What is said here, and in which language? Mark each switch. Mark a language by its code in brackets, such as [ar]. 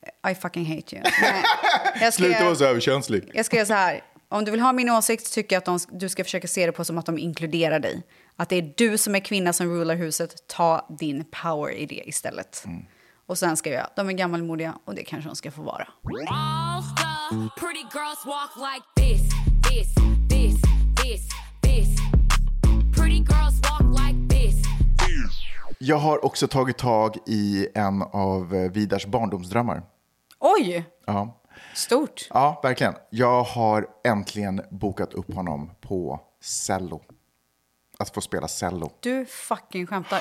[en] I fucking hate you. [sv] Jag skrev, sluta vara så överkänslig. Jag skrev så här: om du vill ha min åsikt tycker jag att du ska försöka se det på som att de inkluderar dig. Att det är du som är kvinna som rullar huset. Ta din power i det istället. Mm. Och sen ska jag, de är gammalmodiga och det kanske de ska få vara. [en] All the pretty girls walk like this, this, this, this, this. Pretty girls walk like this. [sv] Jag har också tagit tag i en av Vidars barndomsdrömmar. Oj! Ja. Stort. Ja, verkligen. Jag har äntligen bokat upp honom på cello. Att få spela cello. Du fucking skämtar.